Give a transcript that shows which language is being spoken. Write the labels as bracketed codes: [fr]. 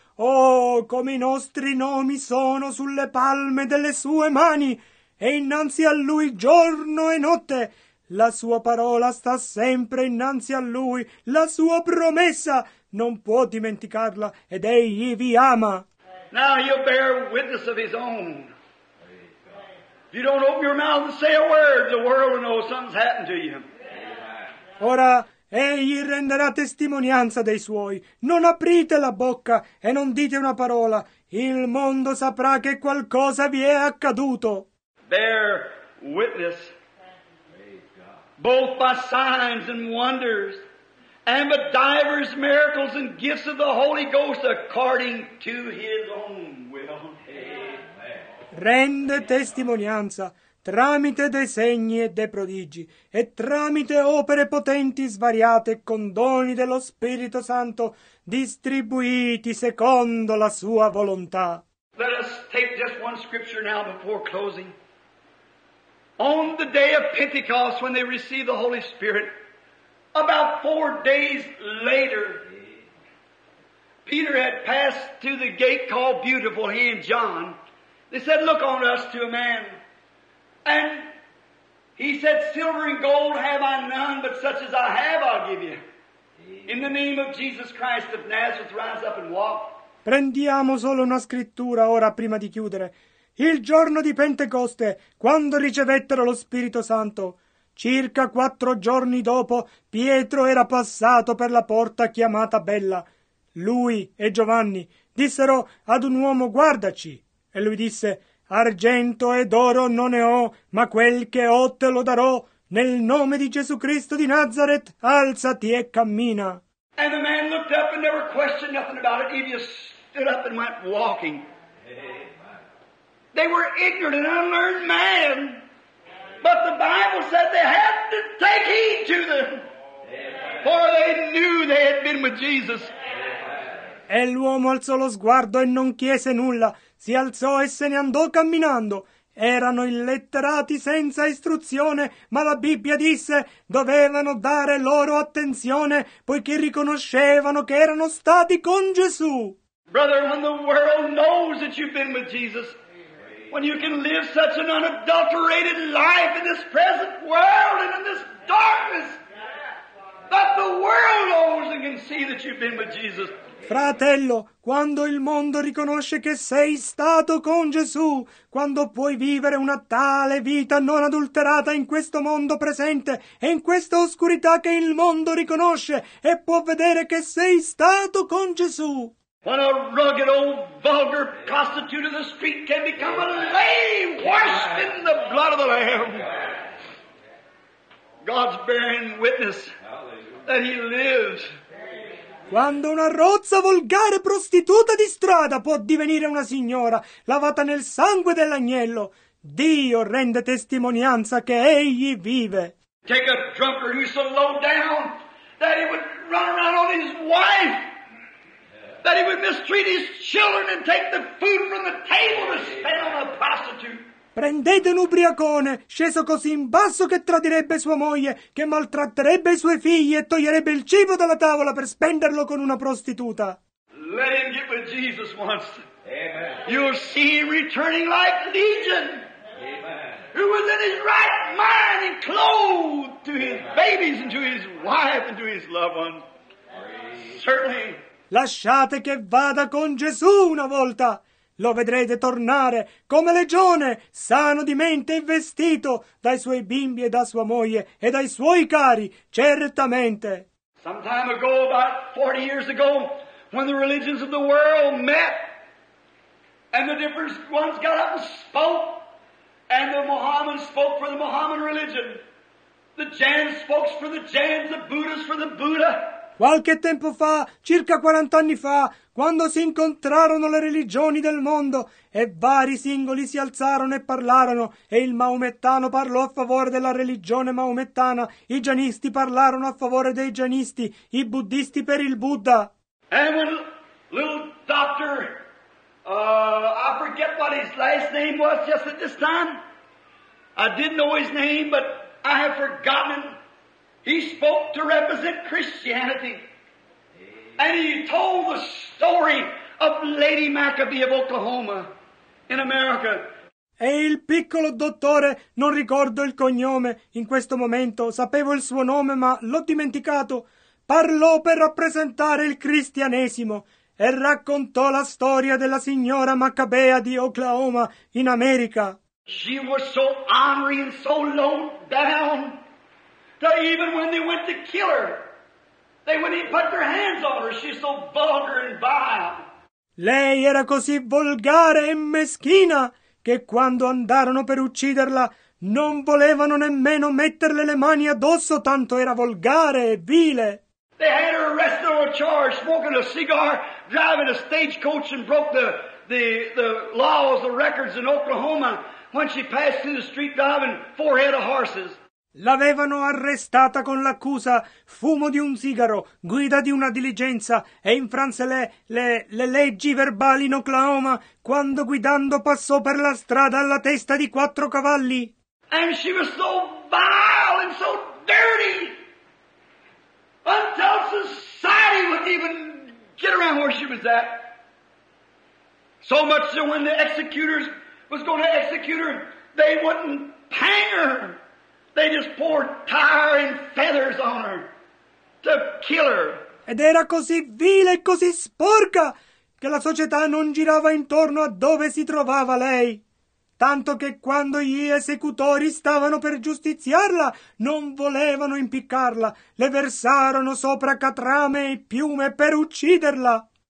[it] Oh, come i nostri nomi sono sulle palme delle sue mani, e innanzi a lui giorno e notte. La sua parola sta sempre innanzi a lui, la sua promessa non può dimenticarla, ed egli vi ama. [en] Now he'll bear witness of his own. You don't open your mouth and say a word, the world will know something's happened to you. [it] Ora, egli renderà testimonianza dei suoi. Non aprite la bocca e non dite una parola. Il mondo saprà che qualcosa vi è accaduto. [en] Bear witness, both by signs and wonders, and by divers miracles and gifts of the Holy Ghost according to his own will. [it] Rende testimonianza tramite dei segni e dei prodigi e tramite opere potenti svariate con doni dello Spirito Santo distribuiti secondo la sua volontà. [en] Let us take just one scripture now before closing. On the day of Pentecost, when they received the Holy Spirit, about 4 days later, Peter had passed through the gate called Beautiful, he and John. They said, look on us to a man. And he said, silver and gold have I none, but such as I have I'll give you. In the name of Jesus Christ of Nazareth, rise up and walk. [it] Prendiamo solo una scrittura ora prima di chiudere. Il giorno di Pentecoste, quando ricevettero lo Spirito Santo, circa 4 giorni dopo, Pietro era passato per la porta chiamata Bella. Lui e Giovanni dissero ad un uomo, guardaci. E lui disse, argento ed oro non ne ho, ma quel che ho te lo darò. Nel nome di Gesù Cristo di Nazareth, alzati e cammina. [en] And the man looked up and never questioned nothing about it. He just stood up and went walking. They were ignorant and unlearned men. But the Bible said they had to take heed to them. For they knew they had been with Jesus. [it] E l'uomo alzò lo sguardo e non chiese nulla. Si alzò e se ne andò camminando. Erano illetterati senza istruzione, ma la Bibbia disse dovevano dare loro attenzione poiché riconoscevano che erano stati con Gesù. [en] Brother, when the world knows that you've been with Jesus, when you can live such an unadulterated life in this present world and in this darkness, that the world knows and can see that you've been with Jesus. [it] Fratello, quando il mondo riconosce che sei stato con Gesù, quando puoi vivere una tale vita non adulterata in questo mondo presente e in questa oscurità che il mondo riconosce e può vedere che sei stato con Gesù. [en] When a rugged old vulgar prostitute of the street can become a lame washed in the blood of the Lamb. God's bearing witness that he lives. [it] Quando una rozza volgare prostituta di strada può divenire una signora lavata nel sangue dell'agnello, Dio rende testimonianza che egli vive. [en] Take a drunkard who's so low down that he would run around on his wife, that he would mistreat his children and take the food from the table to spend on a prostitute. [it] Prendete un ubriacone, sceso così in basso che tradirebbe sua moglie, che maltratterebbe i suoi figli e toglierebbe il cibo dalla tavola per spenderlo con una prostituta. [en] Let him get with Jesus once. Amen. You'll see him returning like legion. Amen. Who was in his right mind and clothed to his babies and to his wife and to his loved one. Certainly. [it] Lasciate che vada con Gesù una volta. lo vedrete tornare come legione, sano di mente e vestito dai suoi bimbi e da sua moglie e dai suoi cari, certamente. [en] Some time ago, about 40 years ago, when the religions of the world met, and the different ones got up and spoke, and the Mohammedans spoke for the Mohammedan religion, the Jains spoke for the Jains, the Buddhists for the Buddha. [it] Qualche tempo fa, circa 40 anni fa, quando si incontrarono le religioni del mondo e vari singoli si alzarono e parlarono, e il maomettano parlò a favore della religione maomettana, i giainisti parlarono a favore dei giainisti, i buddhisti per il Buddha. [en] And when little doctor, I forget what his last name was just at this time, I didn't know his name, but I have forgotten. He spoke to represent Christianity. And he told the story of Lady Maccabee of Oklahoma in America. [it] E il piccolo dottore, non ricordo il cognome in questo momento, sapevo il suo nome ma l'ho dimenticato, parlò per rappresentare il cristianesimo e raccontò la storia della signora Maccabea di Oklahoma in America. [en] She was so angry and so low down that even when they went to kill her, they wouldn't even put their hands on her. She's so vulgar and vile. [it] Lei era così volgare e meschina che quando andarono per ucciderla non volevano nemmeno metterle le mani addosso, tanto era volgare e vile. [en] They had her arrested on a charge, smoking a cigar, driving a stagecoach, and broke the laws, the records in Oklahoma when she passed through the street driving four head of horses. [it] L'avevano arrestata con l'accusa fumo di un sigaro, guida di una diligenza e infranse le leggi verbali in Oklahoma quando guidando passò per la strada alla testa di quattro cavalli. [en] And she was so vile and so dirty until society would even get around where she was at. So much that when the executors was going to execute her, they wouldn't hang her. They just poured tar and feathers on her to kill her. [it] Ed era così vile e così sporca che la società non girava intorno a dove si trovava lei. Tanto che quando gli esecutori stavano per giustiziarla, non volevano impiccarla. Le versarono sopra catrame e piume per ucciderla.